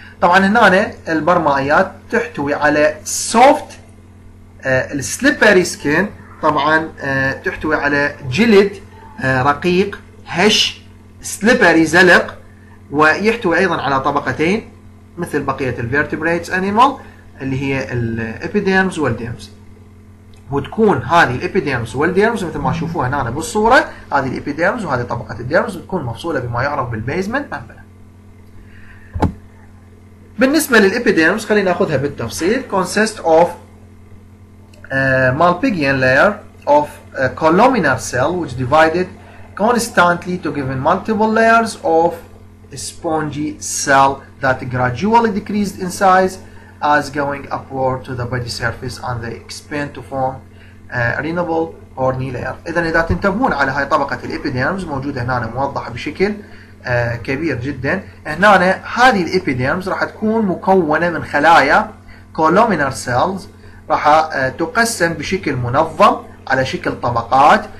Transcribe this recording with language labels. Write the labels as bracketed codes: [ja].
[ar] طبعا هنا البرمائيات تحتوي على [en] soft السليبري skin, [ar] طبعا تحتوي على جلد رقيق هش سليبري زلق، ويحتوي ايضا على طبقتين مثل بقيه [en] الفيرتبريتس انيمال، [ar] اللي هي الابيديرمز والديرمز. وتكون هذه الإبيديرمس والديرمس مثل ما تشوفوها هنا بالصورة، هذه الإبيديرمس وهذه طبقة الديرمس تكون مفصولة بما يعرف بالبيزمنت ممبرين. بالنسبة للإبيديرمس خلينا نأخذها بالتفصيل، [en] consists of Malpighian layer of columnar cell which divided constantly to give in multiple layers of spongy cell that gradually decreased in size as going upward to the body surface and they expand to form renal horny layer. [ar] إذا إذا تنتبهون على هاي طبقة الإبيديرمس موجودة هنا موضحة بشكل كبير جدا. هنا هذه الإبيديرمس راح تكون مكونة من خلايا columnar cells راح تقسم بشكل منظم على شكل طبقات.